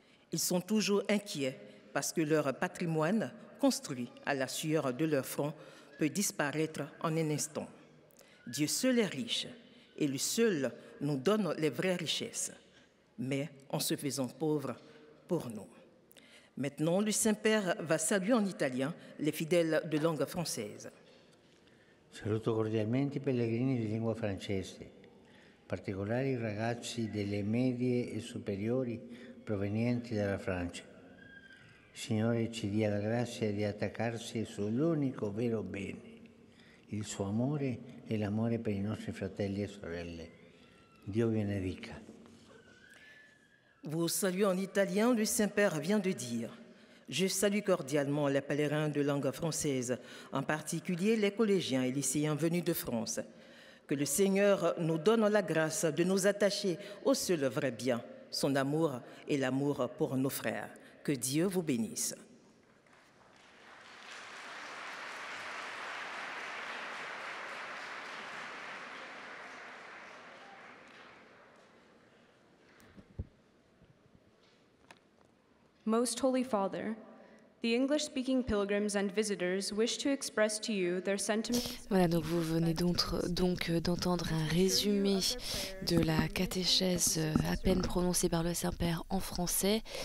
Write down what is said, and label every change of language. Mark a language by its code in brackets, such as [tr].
[fr] Ils sont toujours inquiets parce que leur patrimoine, construit à la sueur de leur front, peut disparaître en un instant. Dieu seul est riche, et lui seul nous donne les vraies richesses, mais en se faisant pauvre pour nous. Maintenant, le Saint-Père va saluer en italien les fidèles de langue française. [it] Saluto cordialmente i pellegrini di lingua francese, particolari ragazzi delle medie e superiori provenienti dalla Francia. Signore, ci dia la grazia di attaccarsi sull'unico vero bene, il suo amore e l'amore per i nostri fratelli e sorelle. Dio benedica. [fr] Vous saluez en italien, le Saint-Père vient de dire. Je salue cordialement les pèlerins de langue française, en particulier les collégiens et lycéens venus de France. Que le Seigneur nous donne la grâce de nous attacher au seul vrai bien, son amour et l'amour pour nos frères. Que Dieu vous bénisse. [en] Most Holy Father, the English-speaking pilgrims and visitors wish to express to you their sentiments. [fr] Voilà, donc vous venez donc d'entendre un résumé de la catéchèse à peine prononcée par le Saint-Père en français.